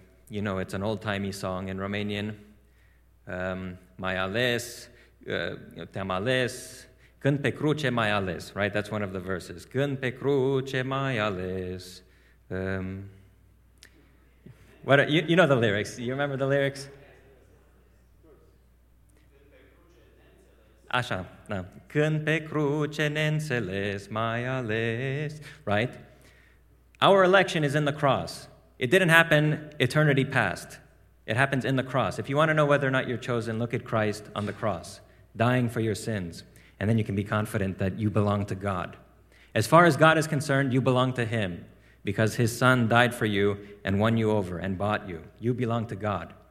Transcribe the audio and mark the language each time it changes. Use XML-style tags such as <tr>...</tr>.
<en>You know, it's an old-timey song in Romanian.</en> <ro>Mai ales, te-am ales, când pe cruce mai ales, right?</ro> <en>That's one of the verses.</en> <ro>Când pe cruce mai ales.</ro> <en>You know the lyrics. You remember the lyrics?</en> <ro>Așa, da. Când pe cruce ne-nțeles, mai ales, right?</ro> <en>Our election is in the cross. It didn't happen eternity past. It happens in the cross. If you want to know whether or not you're chosen, look at Christ on the cross, dying for your sins, and then you can be confident that you belong to God. As far as God is concerned, you belong to him because his son died for you and won you over and bought you. You belong to God.</en>